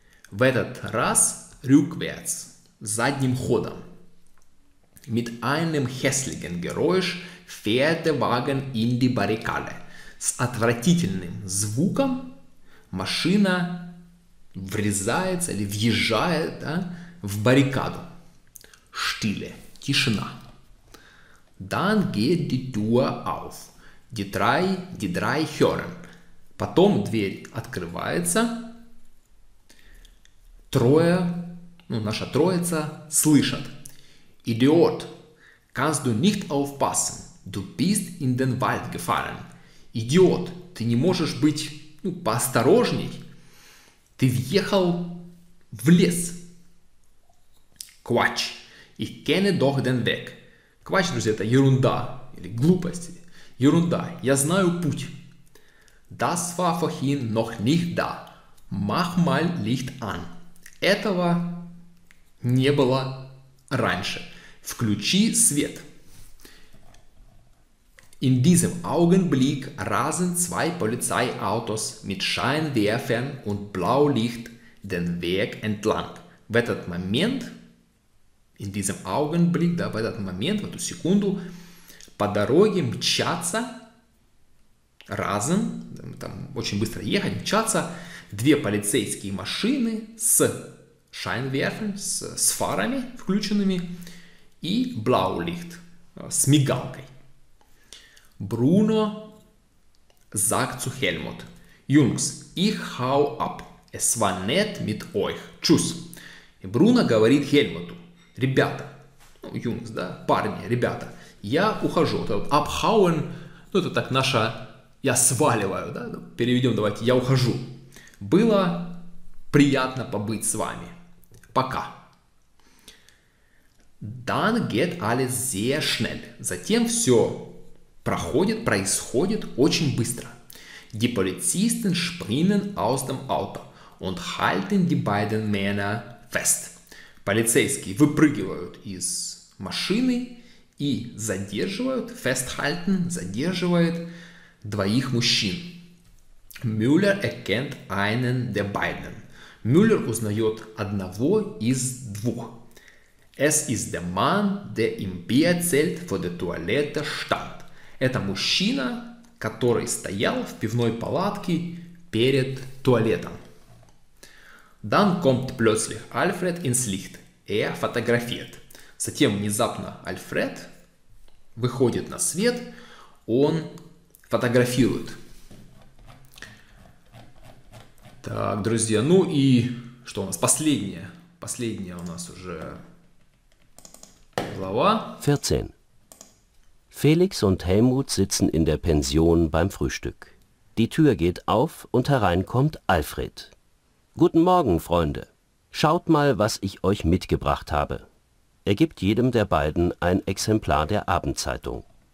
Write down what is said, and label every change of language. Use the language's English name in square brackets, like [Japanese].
[Russian] В этот раз rückwärts, задним ходом. [German] Mit einem hässlichen Geräusch fährt der Wagen in die Barrikade. [Russian] С отвратительным звуком машина врезается или въезжает, да, в баррикаду. [German] Stille, тишина. Dann geht die Tür auf. Die drei hören. [Russian] Потом дверь открывается. Трое, ну, наша троица, слышат. [German] Idiot, kannst du nicht aufpassen? Du bist in den Wald gefallen. [Russian] Идиот, ты не можешь быть, ну, поосторожней? Ты въехал в лес. [German] Quatsch, ich kenne doch den Weg. [Russian] Quatsch, друзья, это ерунда или глупости. Ерунда, я знаю путь. [German] Das war vorhin noch nicht da. Mach mal Licht an. [Russian] Этого не было раньше. Включи свет. [German] In diesem Augenblick rasen zwei Polizeiautos mit Scheinwerfern und Blaulicht den Weg entlang. [Russian] В этот момент, [German] in diesem Augenblick, [Russian] да, в этот момент, в эту секунду, по дороге мчатся, разом, там очень быстро ехать, мчатся две полицейские машины с Scheinwerfern, с фарами включенными, и Blaulicht, с мигалкой. [German] Bruno sagt zu Helmut: Jungs, ich hau ab. Es war nett mit euch. Tschüss. [Russian] И Bruno говорит Хельмуту: Ребята, ну, Jungs, да, парни, ребята, я ухожу. Вот, abhauen, ну это так наша, я сваливаю, да, переведем, давайте, я ухожу. Было приятно побыть с вами. Пока. [German] Dann geht alles sehr schnell. [Russian] Затем все проходит, происходит очень быстро. [German] Die Polizisten springen aus dem Auto und halten die beiden Männer fest. [Russian] Полицейские выпрыгивают из машины и задерживают, festhalten, задерживает двоих мужчин. [German] Müller erkennt einen der beiden. [Russian] Müller узнает одного из двух. [German] Es ist der Mann, der im Bierzelt vor der Toilette stand. [Russian] Это мужчина, который стоял в пивной палатке перед туалетом. [German] Dann kommt plötzlich Alfred ins Licht. Er fotografiert. [Russian] Затем внезапно Альфред выходит на свет. Он фотографирует. Так, друзья, ну и что у нас? Последняя. Последняя у нас уже глава. 14. [German] Felix und Helmut sitzen in der Pension beim Frühstück. Die Tür geht auf und hereinkommt Alfred. Guten Morgen, Freunde. Schaut mal, was ich euch mitgebracht habe. Er gibt jedem der beiden ein Exemplar der Abendzeitung.